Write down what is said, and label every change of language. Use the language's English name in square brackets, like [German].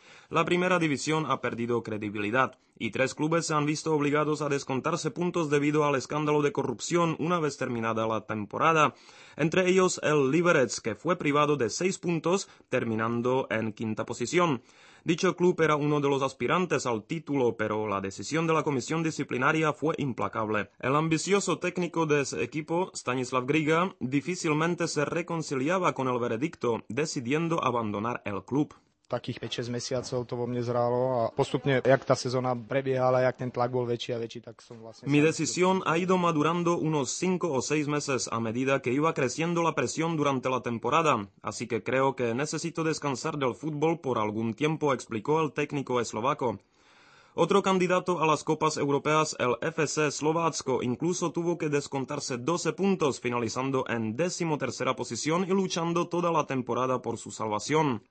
[Spanish] La primera división ha perdido credibilidad, y tres clubes se han visto obligados a descontarse puntos debido al escándalo de corrupción una vez terminada la temporada, entre ellos el Liberec, que fue privado de 6 puntos, terminando en quinta posición. Dicho club era uno de los aspirantes al título, pero la decisión de la comisión disciplinaria fue implacable. El ambicioso técnico de ese equipo, Stanislav Griga, difícilmente se reconciliaba con el veredicto, decidiendo abandonar el club. [Slovak] Takých 5-6 mesiacov to vo mne zrálo a postupne, jak tá sezóna prebiehala, jak ten tlak bol väčší a väčší, tak som vlastne... [Spanish] Mi decisión ha ido madurando unos 5 o 6 meses a medida que iba creciendo la presión durante la temporada, así que creo que necesito descansar del fútbol por algún tiempo, explicó el técnico eslovaco. Otro candidato a las Copas Europeas, el FC Slovácko, incluso tuvo que descontarse 12 puntos, finalizando en 13ª posición y luchando toda la temporada por su salvación.